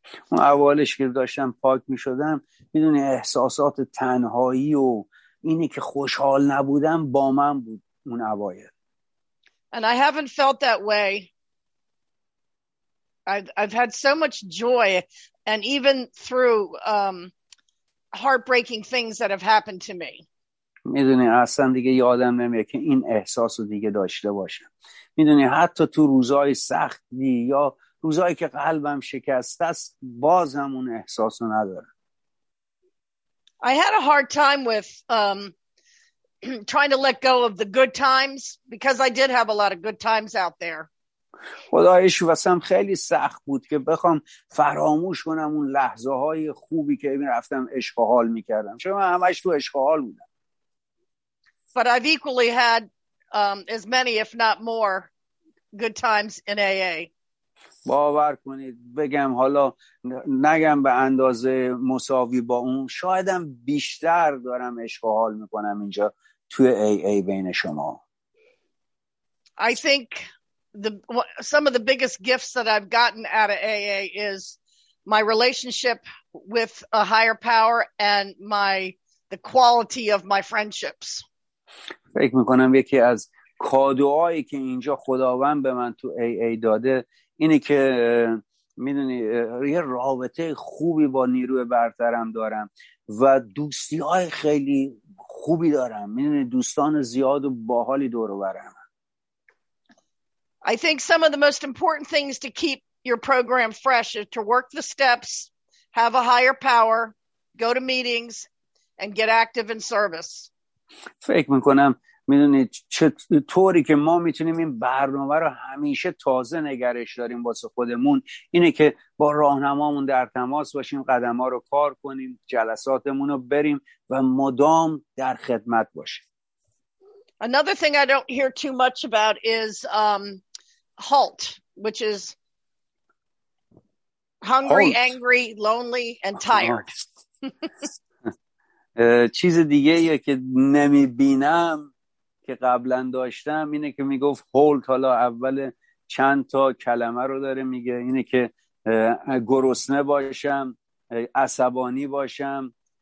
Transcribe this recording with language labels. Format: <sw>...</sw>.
<fa>اون اولش که داشتم پاک می شدم میدونی احساسات تنهایی و اینی که خوشحال نبودم با من بود اون اوایل.</fa> <en>And I haven't felt that way. I've had so much joy, and even through heartbreaking things that have happened to me.</en> <fa>میدونی اصلا دیگه یادم نمیاد که این احساس رو دیگه داشته باشم. میدونی حتی تو روزهای سختی یا روزهایی که قلبم شکسته است باز هم اون احساس رو ندارم.</fa> <en>I had a hard time with trying to let go of the good times because I did have a lot of good times out there.</en> <fa>خدایش واسم خیلی سخت بود که بخوام فراموش کنم اون لحظه های خوبی که میرفتم عشق و حال میکردم. چون من همش تو عشق و حال بودم.</fa> <en>But I've equally had as many, if not more, good times in AA.</en> <fa>باور کنید بگم حالا نگم به اندازه مساوی با اون، شایدم بیشتر دارم عشق و حال میکنم اینجا توی AA بین شما.</fa> <en>I think some of the biggest gifts that I've gotten out of AA is my relationship with a higher power and the quality of my friendships.</en> <fa>فکر میکنم یکی از کادوهایی که اینجا خداوند به من تو AA داده اینه که میدونی یه رابطه خوبی با نیروی برترم دارم و دوستی های خیلی خوبی دارم، میدونی دوستان زیاد و باحالی دور و برم.</fa> <en>I think some of the most important things to keep your program fresh is to work the steps, have a higher power, go to meetings, and get active in service.</en> <fa>فکر میکنم میدونید چطوری که ما میتونیم این برنامه رو همیشه تازه نگرش داریم واسه خودمون اینه که با راهنمامون در تماس باشیم، قدم ها رو کار کنیم، جلساتمون رو بریم و مدام در خدمت باشیم.</fa> <en>Another thing I don't hear too much about is HALT, which is hungry, HALT. Angry, lonely, and tired.</en> <fa>چیز دیگه ایه که نمی بینم که قبلا داشتم اینه که می گفت HALT. حالا اول چند تا کلمه رو داره میگه، اینه که گرسنه باشم، عصبانی باشم.</fa>